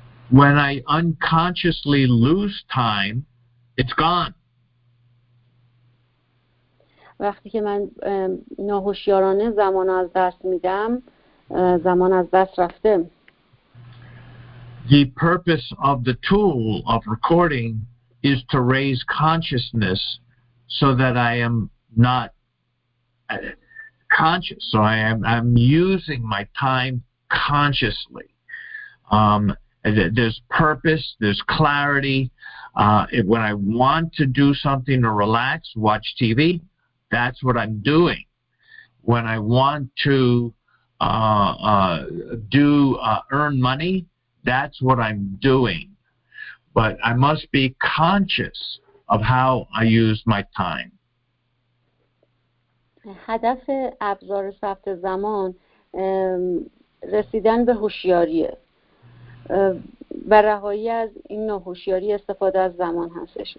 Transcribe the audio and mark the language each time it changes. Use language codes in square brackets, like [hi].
[en] When I unconsciously lose time, it's gone. [fa] وقتی که من ناهوشیارانه زمان از دست میدم، زمان از دست رفته. [en] The purpose of the tool of recording is to raise consciousness so that I am not conscious. So I'm using my time consciously. There's purpose, there's clarity. When I want to do something to relax, watch TV, that's what I'm doing. When I want to earn money, that's what I'm doing. But I must be conscious of how I use my time. [fa] هدف ابزار ثبت زمان رسیدن به هوشیاریه و رهایی از این نوع هوشیاری استفاده از زمان هستش.